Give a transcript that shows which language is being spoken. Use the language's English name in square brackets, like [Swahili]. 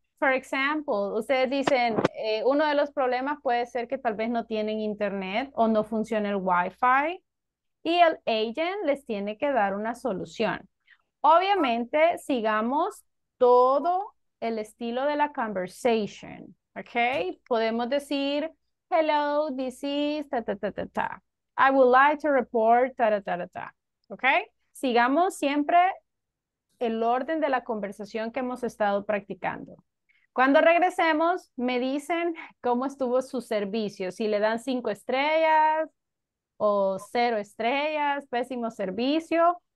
[English] For example, [Spanish] ustedes dicen, uno de los problemas puede ser que tal vez no tienen internet o no funciona el Wi-Fi y el agent les tiene que dar una solución. Obviamente, sigamos todo el estilo de la conversation, ¿ok? Podemos decir, [English] hello, this is ta ta ta ta ta. I would like to report ta ta ta ta ta. ¿Ok? [Spanish] Sigamos siempre el orden de la conversación que hemos estado practicando. Cuando regresemos, me dicen cómo estuvo su servicio. Si le dan 5 estrellas o 0 estrellas, pésimo servicio.